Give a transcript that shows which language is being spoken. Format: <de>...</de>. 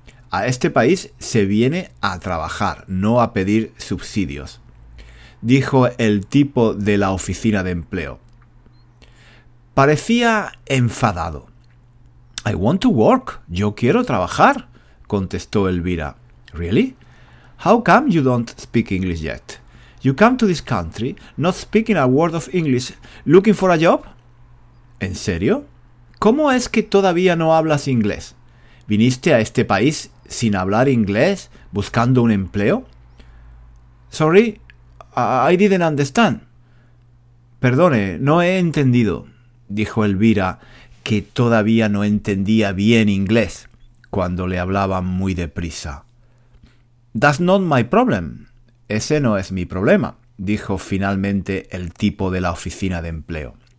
<es>A este país se viene a trabajar, no a pedir subsidios, dijo el tipo de la oficina de empleo. Parecía enfadado.</es> <en>I want to work.</en> <es>Yo quiero trabajar, contestó Elvira.</es> <en>Really? How come you don't speak English yet? You come to this country, not speaking a word of English, looking for a job?</en> <es>¿En serio? ¿Cómo es que todavía no hablas inglés? ¿Viniste a este país sin hablar inglés, buscando un empleo?</es> <en>Sorry, I didn't understand.</en> <es>Perdone, no he entendido, dijo Elvira, que todavía no entendía bien inglés cuando le hablaban muy deprisa.</es> <en>That's not my problem.</en> <es>Ese no es mi problema, dijo finalmente el tipo de la oficina de empleo.</es>